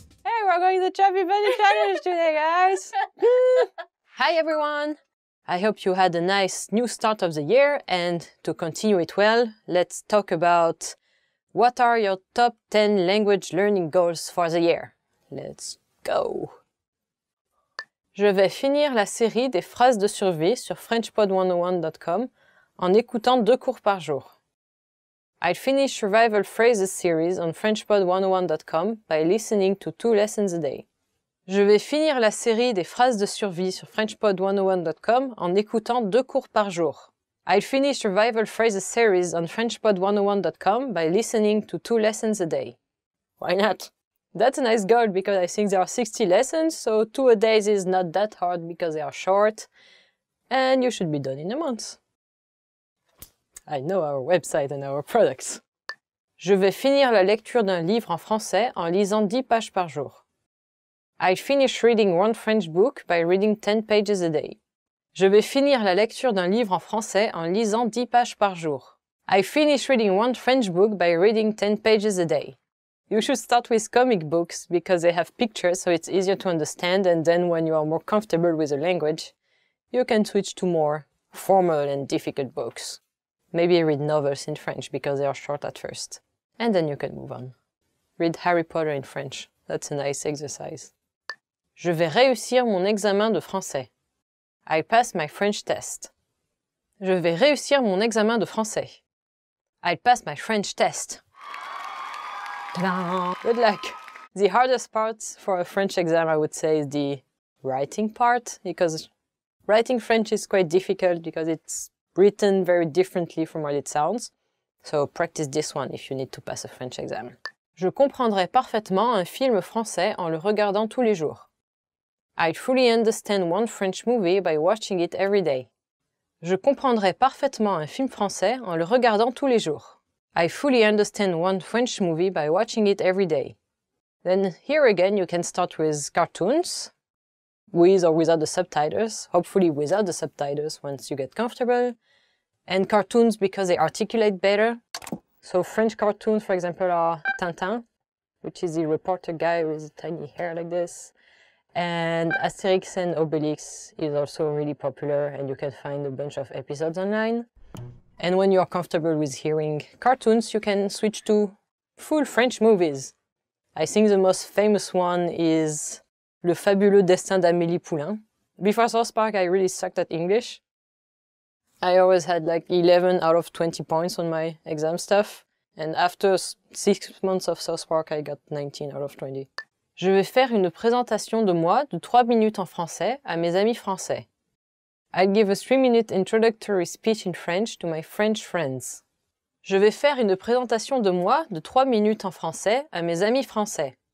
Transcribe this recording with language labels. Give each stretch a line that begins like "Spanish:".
English: Hey, we're going to the Chubby Bunny Challenge today, guys. Hi, everyone. I hope you had a nice new start of the year. And to continue it well, let's talk about what are your top 10 language learning goals for the year. Let's go.
French: Je vais finir la série des phrases de survie sur FrenchPod101.com en écoutant deux cours par jour.
English: I'll finish Survival Phrases series on FrenchPod101.com by listening to two lessons a day.
French: Je vais finir la série des phrases de survie sur FrenchPod101.com en écoutant deux cours par jour.
English: I'll finish Survival Phrases series on FrenchPod101.com by listening to two lessons a day. Why not? That's a nice goal because I think there are 60 lessons, so two a day is not that hard because they are short, and you should be done in a month. I know our website and our products.
French: Je vais finir la lecture d'un livre en français en lisant 10 pages par jour.
English: I'll finish reading one French book by reading 10 pages a day.
French: Je vais finir la lecture d'un livre en français en lisant 10 pages par jour.
English: I'll finish reading one French book by reading 10 pages a day. You should start with comic books because they have pictures, so it's easier to understand, and then when you are more comfortable with the language, you can switch to more formal and difficult books. Maybe read novels in French because they are short at first. And then you can move on. Read Harry Potter in French. That's a nice exercise.
French: Je vais réussir mon examen de français.
English: I'll pass my French test.
French: Je vais réussir mon examen de français.
English: I'll pass my French test. Good luck! The hardest part for a French exam, I would say, is the writing part, because writing French is quite difficult because it's written very differently from what it sounds. So practice this one if you need to pass a French exam.
French: Je comprendrai parfaitement un film français en le regardant tous les jours.
English: I'd fully understand one French movie by watching it every day.
French: Je comprendrai parfaitement un film français en le regardant tous les jours.
English: I fully understand one French movie by watching it every day. Then here again, you can start with cartoons, with or without the subtitles, hopefully without the subtitles once you get comfortable, and cartoons because they articulate better. So French cartoons, for example, are Tintin, which is the reporter guy with tiny hair like this. And Asterix and Obelix is also really popular, and you can find a bunch of episodes online. And when you're comfortable with hearing cartoons, you can switch to full French movies. I think the most famous one is Le Fabuleux Destin d'Amélie Poulain. Before South Park, I really sucked at English. I always had like 11 out of 20 points on my exam stuff. And after 6 months of South Park, I got 19 out of 20.
French: Je vais faire une présentation de moi de 3 minutes en français à mes amis français.
English: I'll give a 3-minute introductory speech in French to my French friends.
French: Je vais faire une présentation de moi de 3 minutes en français à mes amis français.